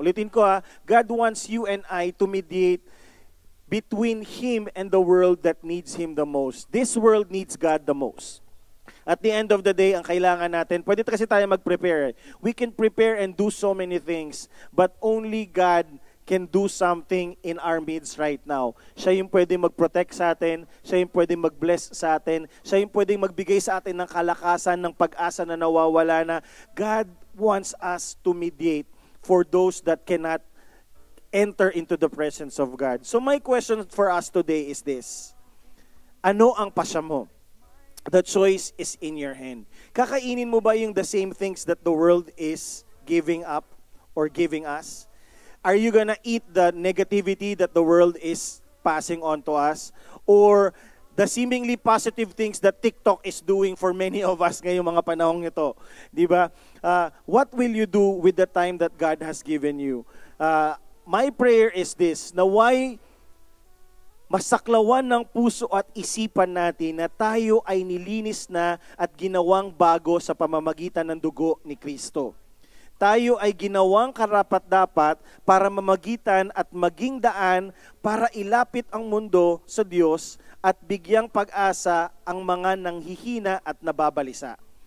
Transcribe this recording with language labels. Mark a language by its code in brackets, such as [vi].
[tl] Ulitin ko ha, [en] God wants you and I to mediate between Him and the world that needs Him the most. This world needs God the most. At the end of the day, [tl] ang kailangan natin, pwede kasi tayo mag-prepare. [en] We can prepare and do so many things, but only God can do something in our midst right now. [tl] Siya yung pwede mag-protect sa atin, siya yung pwede mag-bless sa atin, siya yung pwede magbigay sa atin ng kalakasan, ng pag-asa na nawawala na. [en] God wants us to mediate for those that cannot enter into the presence of God. So my question for us today is this. [tl] Ano ang pasya mo? [en] The choice is in your hand. [tl] Kakainin mo ba yung [en] the same things that the world is giving up or giving us? Are you gonna eat the negativity that the world is passing on to us? Or the seemingly positive things that TikTok is doing for many of us [tl] ngayong mga panahong ito? Diba? [en] What will you do with the time that God has given you? My prayer is this, [tl] na why masaklawan ng puso at isipan natin na tayo ay nilinis na at ginawang bago sa pamamagitan ng dugo ni Kristo. Tayo ay ginawang karapat-dapat para mamagitan at maging daan para ilapit ang mundo sa Diyos at bigyang pag-asa ang mga nanghihina at nababalisa.